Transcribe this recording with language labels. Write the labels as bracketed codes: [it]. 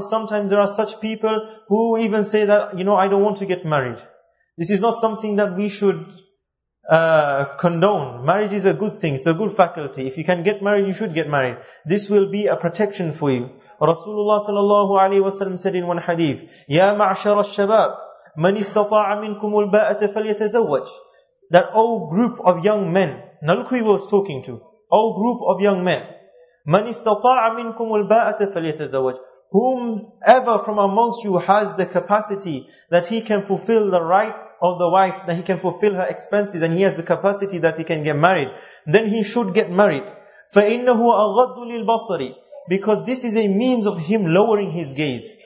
[en] Sometimes there are such people who even say that, you know, I don't want to get married. This is not something that we should condone. Marriage is a good thing, it's a good faculty. If you can get married, you should get married. This will be a protection for you. Rasulullah sallallahu alayhi wa sallam said in one hadith, [ar] "Ya ma'ashara al-shabab," من استطاع منكم الباءة فليتزوج. [en] That old group of young men, now look who he was talking to. Old group of young men. [ar] من استطاع منكم الباءة فليتزوج. [en] Whomever from amongst you has the capacity that he can fulfill the right of the wife, that he can fulfill her expenses, and he has the capacity that he can get married, then he should get married. [ar] فَإِنَّهُ أَغَضُّ لِلْبَصَرِ. [en] Because this is a means of him lowering his gaze.